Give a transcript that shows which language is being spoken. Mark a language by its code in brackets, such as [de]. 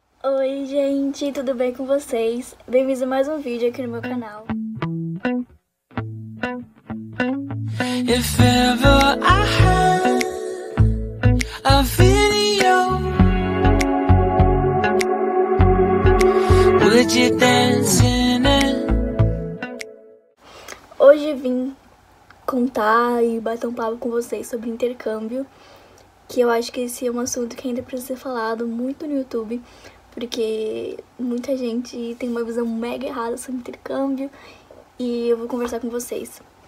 [pt] Oi, gente, tudo bem com vocês? Bem-vindos a mais um vídeo aqui no meu canal. [en] If ever I had a video, would you dance in it? [pt] Hoje vim contar e bater um papo com vocês sobre intercâmbio, que eu acho que esse é um assunto que ainda precisa ser falado muito no YouTube. Porque muita gente tem uma visão mega errada sobre intercâmbio e eu vou conversar com vocês.